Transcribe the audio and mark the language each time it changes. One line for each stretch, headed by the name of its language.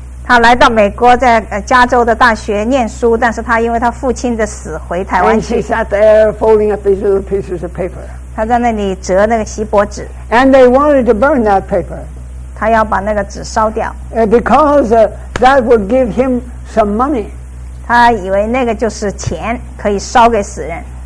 Chinese: 他来到美国在加州的大学念书但是他因为他父亲的死回台湾去
English: And she sat there folding up these little pieces of paper
Chinese: 他在那里折那个锡箔纸
English: And they wanted to burn that paper
Chinese: 他要把那个纸烧掉
English: Because that would give him some money
Chinese: 他以为那个就是钱可以烧给死人